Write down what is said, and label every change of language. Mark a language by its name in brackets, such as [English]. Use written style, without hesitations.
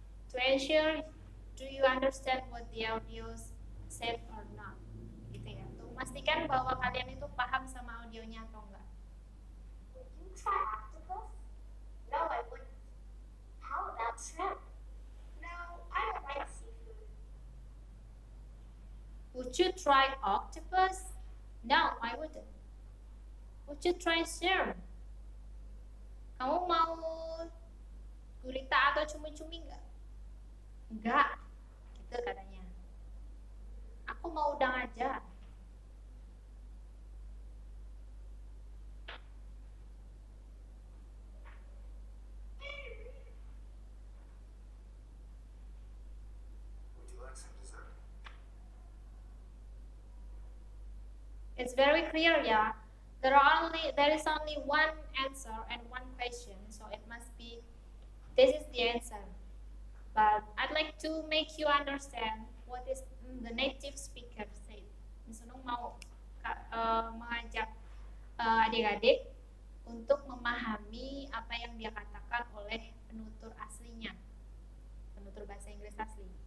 [English] To ensure, do you understand what the audio said or not? [Indonesian] Pastikan bahwa kalian itu paham sama audionya atau enggak. [English] Would you try octopus? No, I wouldn't. How about shrimp? No, I don't like seafood. Would you try octopus? No, I wouldn't. Would you try shrimp? [Indonesian] Kamu mau gurita atau cumi-cumi enggak? Enggak, gitu katanya. Aku mau udang aja. [English] It's very clear, yeah. There is only one answer and one question, so it must be this is the answer. But I'd like to make you understand what is the native speaker said. [Indonesian] Misunung mau mengajak adik-adik untuk memahami apa yang dia katakan oleh penutur aslinya, penutur bahasa Inggris asli.